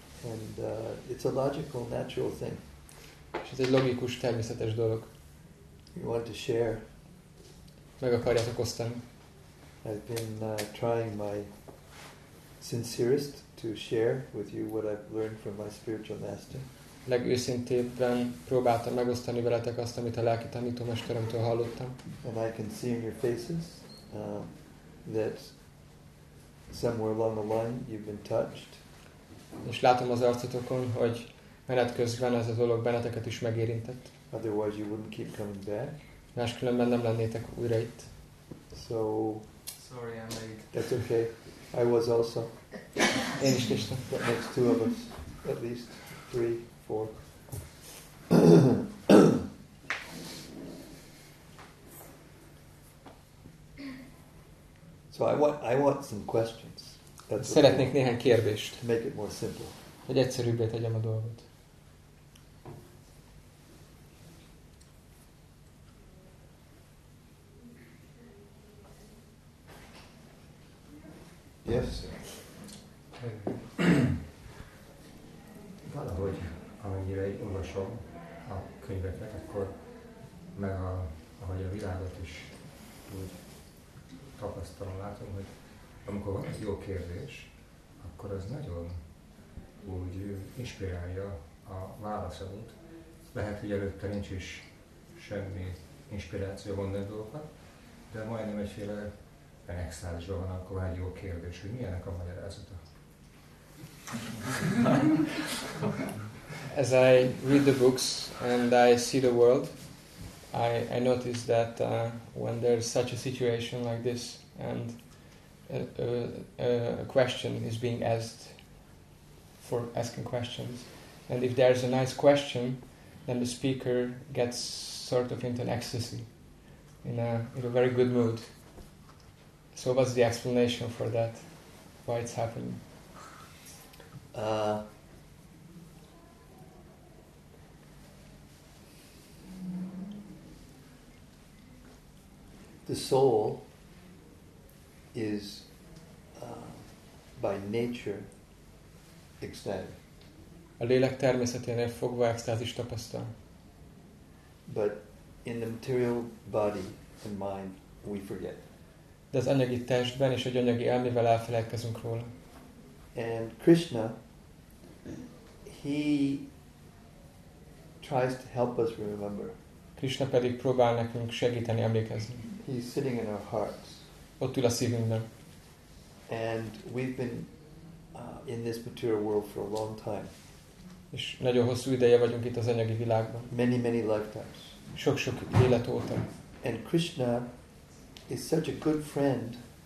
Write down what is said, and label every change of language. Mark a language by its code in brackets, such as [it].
[en] And it's a logical, natural thing. [hu] És ez egy logikus, természetes dolog. [en] You want to share. [hu] Meg akarjátok osztani. [en] I've been trying my sincerest to share with you what I've learned from my spiritual master. [hu] Legőszintébben próbáltam megosztani veletek azt, amit a lelki tanítómesteremtől hallottam. [en] And I can see in your faces that somewhere along the line you've been touched. [hu] És látom az arcotokon, hogy menet közben ez a dolog benneteket is megérintett. [en] Otherwise you wouldn't keep coming back. [hu] Máskülönben nem lennétek újra itt. [en] So sorry I'm late. That's okay. I was also. [hu] Én is kisztem. [en] That makes two of us. At least three, four. So I want some questions. [hu] That's szeretnék néhány kérdést. [en] To make it more simple. [hu] Hogy egyszerűbbé tegyem a dolgot. [en] Yes. [hu] Valahogy, amennyire olvasom a könyveket, akkor meg ahogy a világot is úgy tapasztalom, látom, hogy amikor van egy jó kérdés, akkor az nagyon úgy inspirálja a válaszadót. Lehet, hogy előtte nincs is semmi inspiráció gondolni dolgokat, de majdnem egyféle penekszázsban van, akkor egy jó kérdés, hogy milyenek a magyarázata. [en] As I read the books and I see the world, I notice that when there's such a situation like this and a question is being asked for asking questions. And if there's a nice question, then the speaker gets sort of into an ecstasy, in a very good mood. So what's the explanation for that? Why it's happening? The soul is by nature ecstatic. [hu] A lélek természeténél fogva extázis tapasztal. [en] But in the material body and mind we forget. [hu] De az anyagi testben és egy anyagi elmével elfelejtkezünk róla. [en] And Krishna, he tries to help us remember. [hu] Krishna pedig próbál nekünk segíteni emlékezni. [en] He's sitting in our hearts. [hu] Ott ül a szívünkben. [en] And we've been in this material world for a long time. [hu] És nagyon hosszú ideje vagyunk itt az anyagi világban. [en] Many, many lifetimes. [hu] Sok-sok élet óta. [en] And Krishna is such a good friend.